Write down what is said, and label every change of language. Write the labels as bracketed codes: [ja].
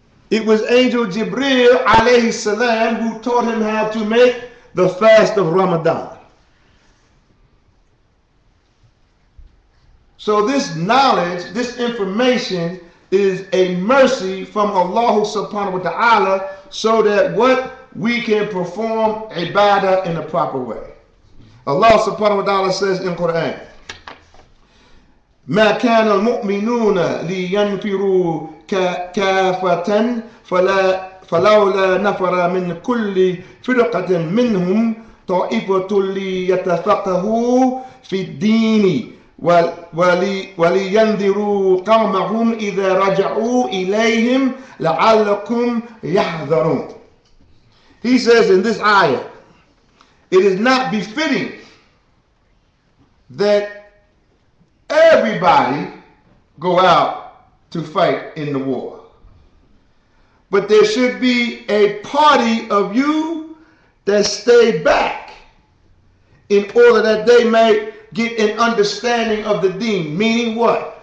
[en] It was Angel Jibril, alayhi salam, who taught him how to make the fast of Ramadan. So this knowledge, this information is a mercy from Allah subhanahu wa ta'ala, so that what we can perform ibadah in the proper way. Allah subhanahu wa ta'ala says in Quran, [ar] مَا كَانَ الْمُؤْمِنُونَ لِيَنْفِرُوا كَافَةً فَلَوْلَا نَفَرَ مِنْ كُلِّ فِرْقَةٍ مِنْهُمْ طَائِفَةٌ لِيَتَفَقَّهُوا فِي الدِّينِ وَلِيَنْذِرُوا قَوْمَهُمْ إِذَا رَجَعُوا إِلَيْهِمْ لَعَلَّكُمْ يَحْذَرُونَ. [en] He says in this ayah, it is not befitting that everybody go out to fight in the war, but there should be a party of you that stay back in order that they might get an understanding of the deen. Meaning what?